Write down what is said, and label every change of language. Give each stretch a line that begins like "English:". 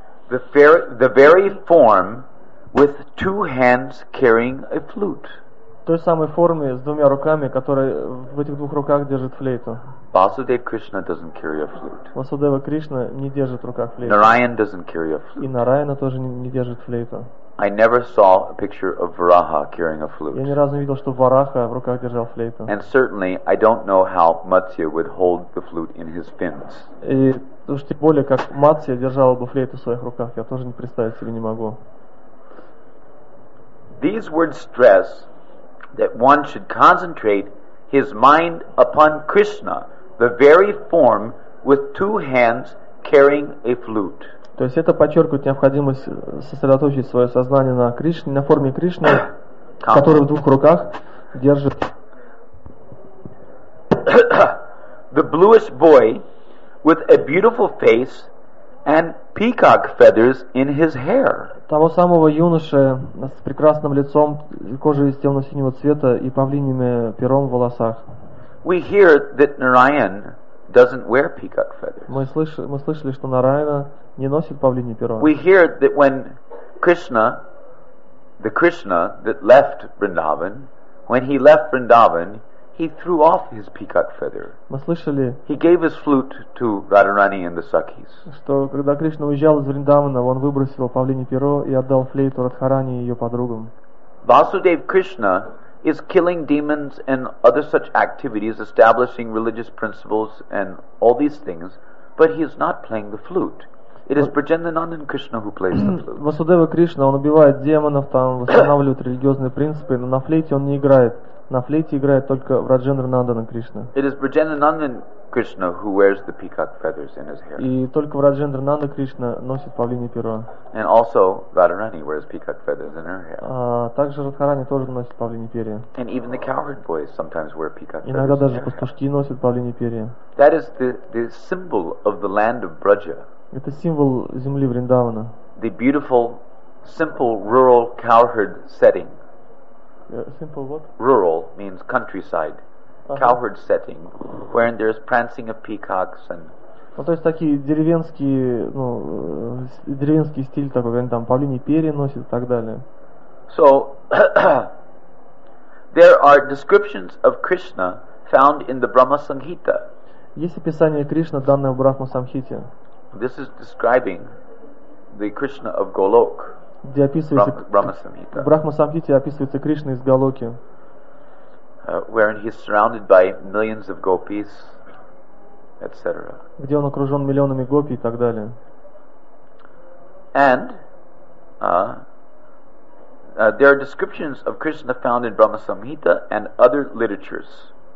English: The very form with two hands carrying a flute.
Russian: Той самой форме с двумя руками, которая в этих двух руках держит флейту.
English: Vasudeva Krishna doesn't carry a flute.
Russian: Vasudeva Krishna не держит в руках флейту.
English: Narayan doesn't carry a flute.
Russian: И Нараяна тоже не держит флейту.
English: I never saw a picture of Varaha carrying a flute.
Russian: Я ни разу не видел, что Вараха в руках держал флейту.
English: And certainly, I don't know how Matsya would hold the flute in his fins.
Russian: И уж тем более, как Матсья держала бы флейту в своих руках, я тоже не представить себе не могу.
English: These words stress that one should concentrate his mind upon Krishna, the very form with two hands carrying a flute.
Russian: То есть это подчеркивает необходимость сосредоточить свое сознание на Кришне, на форме Кришны, который в двух руках держит.
English: The bluish boy with a beautiful face and peacock feathers in his hair.
Russian: Того самого юноши с прекрасным лицом, кожей темно-синего цвета и павлиньим пером в волосах.
English: We hear that Narayan doesn't wear peacock feathers.
Russian: Мы слышали, что Нараяна не носит павлинье перо.
English: We hear that when Krishna that left Vrindavan, when he left Vrindavan, he threw off his peacock feather.
Russian: Мы слышали.
English: He gave his flute to Radharani and the Sakis.
Russian: Что когда Кришна уезжал из Вриндавана, он выбросил павлинье перо и отдал флейту Радхарани и ее подругам.
English: Vasudev Krishna is killing demons and other such activities, establishing religious principles and all these things, but he is not playing the flute. It is Brajendananda and Krishna who plays the flute.
Russian: Vasudeva Krishna, он убивает демонов, там восстанавливает религиозные принципы, но на флейте он не играет. На флейте играет только Враджендранандана Кришна.
English: It is Brajendananda and Krishna who wears the peacock feathers in his hair.
Russian: И только Враджендранананда Кришна носит павлинье перо.
English: And also Radharani wears peacock feathers in her hair.
Russian: Также Радхарани тоже носит павлинье перо.
English: And even the cowherd boys sometimes wear peacock feathers.
Russian: Иногда даже пастушки носят павлинье перо.
English: That is the symbol of the land of Braja.
Russian: Это символ земли Вриндавана.
English: The beautiful, simple rural cowherd setting. Simple what? Rural means countryside. Cowherd setting, wherein there is prancing of peacocks and.
Russian: Ну то есть такие деревенские, ну деревенский стиль такой, когда там павлиньи перья носят и так далее.
English: So there are descriptions of Krishna found in the Brahma Samhita.
Russian: Есть описание Кришны, данное в Брахма Самхите.
English: This is describing the Krishna of Golok.
Russian: Где описывается Brahma Samhita. В Брахма Самхите описывается Кришна из Голоки.
English: Wherein he is surrounded by millions of gopis, etc.
Russian: Где он окружен миллионами гопи и так далее.
English: And there are descriptions of Krishna found in Brahma Samhita and other literatures.